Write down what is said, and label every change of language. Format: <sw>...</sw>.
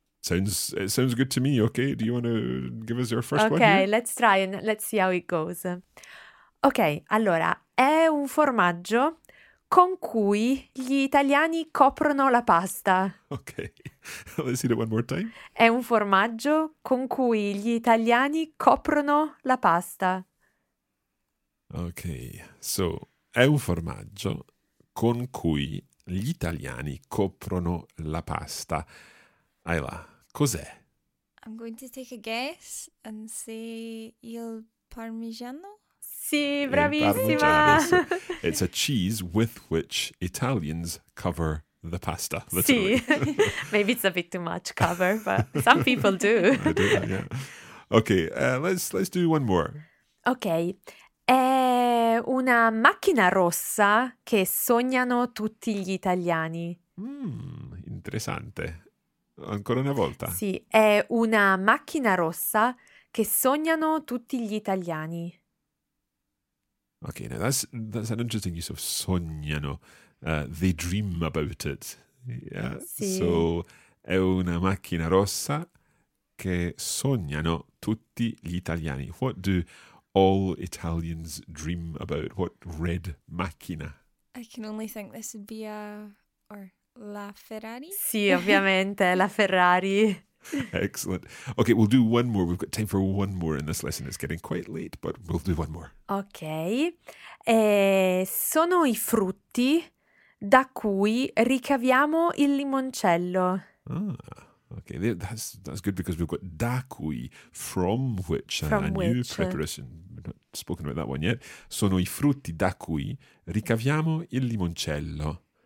<en>It sounds good to me. Okay, do you want to give us your first one? Okay, let's try and let's see how it goes.</en> <it>Okay, allora, è un formaggio con cui gli italiani coprono la pasta.</it> <en>Okay, let's see it one more time.</en> <it>È un formaggio con cui gli italiani coprono la pasta.</it> <en>Okay, so,</en> <it>è un formaggio con cui gli italiani coprono la pasta. Ayla, cos'è?</it> <en>I'm going to take a guess and say</en> <it>il parmigiano. Sì, bravissima!</it> <en>It's a cheese with which Italians cover the pasta, literally. Sì, maybe it's a bit too much cover, but some people do. Okay, let's do one more.</en> <it>Okay, è una macchina rossa che sognano tutti gli italiani. Interessante. Ancora una volta. Sì, è una macchina rossa che sognano tutti gli italiani.</it> <en>Okay, now that's an interesting use of sognano. They dream about it. Yeah.</en> <it>Sì. So è una macchina rossa che sognano tutti gli italiani.</it> <en>What do all Italians dream about? What red macchina? I can only think this would be a or la Ferrari.</en> <it>Sì, ovviamente la Ferrari.</it> <en>Excellent. Okay, we'll do one more. We've got time for one more in this lesson. It's getting quite late, but we'll do one more. Okay.</en> <it>Sono i frutti da cui ricaviamo il limoncello.</it> <en>Ah, okay. That's good because we've got da cui, from which, new preposition. We've not spoken about that one yet.</en> <it>Sono i frutti da cui ricaviamo il limoncello.</it>